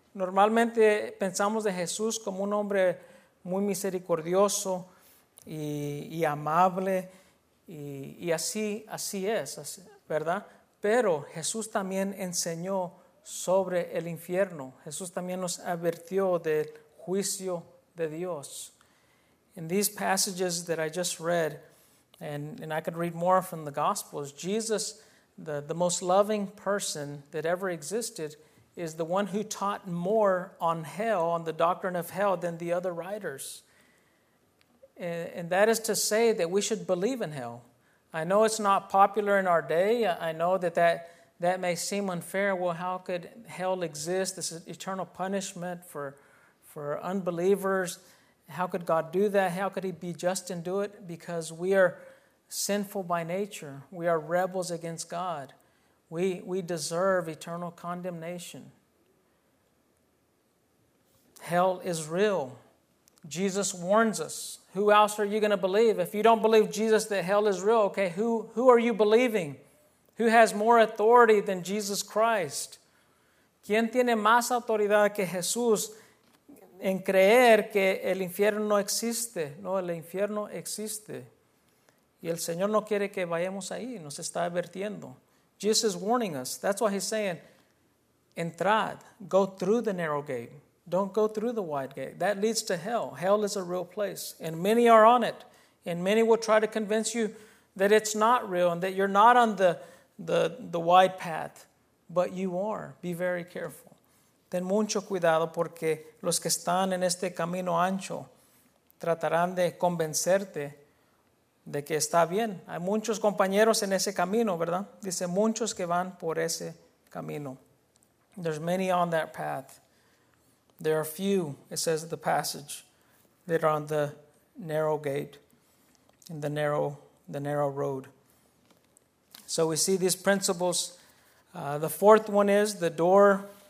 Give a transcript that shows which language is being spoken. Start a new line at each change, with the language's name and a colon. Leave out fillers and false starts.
Spanish: Normalmente pensamos de Jesús como un hombre muy misericordioso y amable. Y así es, ¿verdad? Pero Jesús también enseñó sobre el infierno. Jesús también nos advirtió del juicio de Dios.
English: In these passages that I just read, and I could read more from the Gospels, Jesus, the most loving person that ever existed, is the one who taught more on hell, on the doctrine of hell, than the other writers. And that is to say that we should believe in hell. I know it's not popular in our day. I know that may seem unfair. Well, how could hell exist? This is eternal punishment for unbelievers. How could God do that? How could he be just and do it? Because we are sinful by nature. We are rebels against God. We deserve eternal condemnation. Hell is real. Jesus warns us. Who else are you going to believe? If you don't believe Jesus that hell is real, okay, who are you believing? Who has more authority than Jesus Christ?
Spanish: ¿Quién tiene más autoridad que Jesús en creer que el infierno no existe? No, el infierno existe. Y el Señor no quiere que vayamos ahí. Nos está advirtiendo.
English: Jesus is warning us. That's why he's saying, entrad, go through the narrow gate. Don't go through the wide gate. That leads to hell. Hell is a real place. And many are on it. And many will try to convince you that it's not real and that you're not on the wide path. But you are. Be very careful.
Spanish: Ten mucho cuidado porque los que están en este camino ancho tratarán de convencerte de que está bien. Hay muchos compañeros en ese camino, ¿verdad? Dice muchos que van por ese camino.
English: There's many on that path. There are few, it says in the passage, that are on the narrow gate, and the narrow road. So we see these principles. The fourth one is the door.